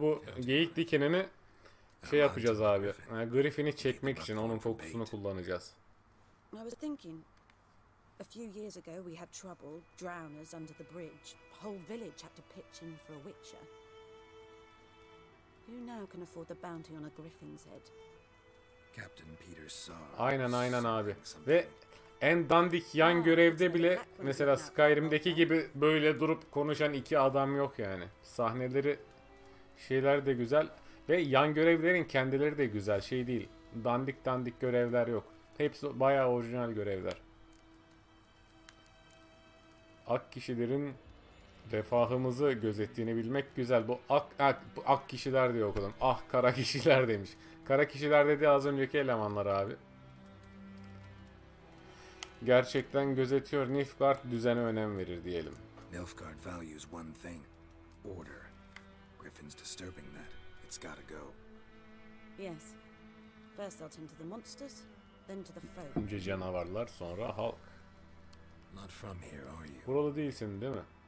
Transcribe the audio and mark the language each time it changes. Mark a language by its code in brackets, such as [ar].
[tr] Bu geyik dikenini şey yapacağız abi. Griffin'i çekmek için onun kokusunu kullanacağız. [en] I was thinking a few years ago we had trouble, drowners under the bridge. Whole village had to pitch in for a witcher. Who now can afford the bounty on a griffin's head? [tr] Captain Peter Sarr. Aynen aynen abi. Ve en dandik yan görevde bile mesela Skyrim'deki gibi böyle durup konuşan iki adam yok yani. Sahneleri, şeyler de güzel ve yan görevlerin kendileri de güzel, şey değil. Dandik dandik görevler yok. Hepsi bayağı orijinal görevler. Ak kişilerin refahımızı gözettiğini bilmek güzel. Bu ak kişiler diye okudum. Ah kara kişiler demiş. Kara kişiler dedi az önceki elemanlar abi. Gerçekten gözetiyor. Nilfgaard düzene önem verir diyelim. [en] Nilfgaard values one thing. Order. Griffin's disturbing that. It's gotta go. Yes. First I'll tend to the monsters, then to the folk. [tr] Önce canavarlar, sonra halk. [en] Not from here, are you? [tr] Buralı değilsin, değil mi?